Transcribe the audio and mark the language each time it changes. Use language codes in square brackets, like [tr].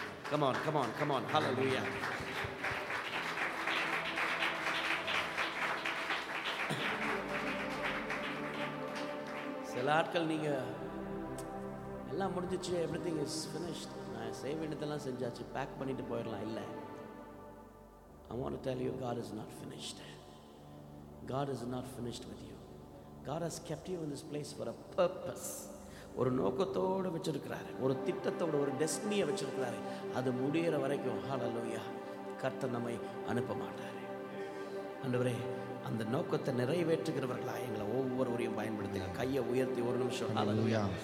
[en] Come on come on come on, hallelujah. [ta] சில ஆட்கள் நீங்க எல்லாம் முடிஞ்சிச்சு, [en] everything is finished, [ta] செய்ய வேண்டியதெல்லாம் செஞ்சாச்சு, பேக் பண்ணிட்டு போயிடலாம். [en] இல்லை, I want to tell you, God is not finished. God is not finished with you. God has kept you in this place for a purpose. [ta] ஒரு நோக்கத்தோடு வச்சிருக்கிறார், ஒரு திட்டத்தோடு, ஒரு டெஸ்டினியை வச்சிருக்கிறார். அது முடிகிற வரைக்கும் ஹல்லேலூயா கர்த்தர் நம்மை அனுப்ப மாட்டார். ஆண்டவரே அந்த நோக்கத்தை நிறைவேற்றுகிறவர்களாக எங்களை ஒவ்வொருவரையும் பயன்படுத்துங்க. கையை உயர்த்தி ஒரு நிமிஷம். ஹல்லேலூயா.